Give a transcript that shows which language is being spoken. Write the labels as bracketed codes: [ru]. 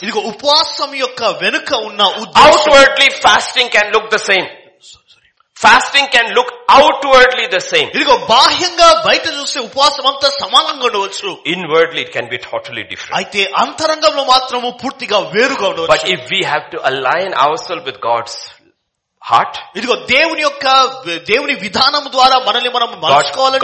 [te] ఇదిగో ఉపవాసం యొక్క వెనుక ఉన్న [en] outwardly fasting can look the same. Fasting can look outwardly the same. [te] ఇదిగో బాహ్యంగా బయట చూస్తే ఉపవాసం అంతా సమానంగా ఉండవచ్చు. [en] Inwardly it can be totally different. [te] అయితే అంతరంగంలో మాత్రం పూర్తిగా వేరుగా ఉండవచ్చు. [en] But if we have to align ourselves with God's heart, [te] ఇదిగో దేవుని యొక్క దేవుని విధానం ద్వారా మనల్ని మనం మార్చుకోవాలంటే,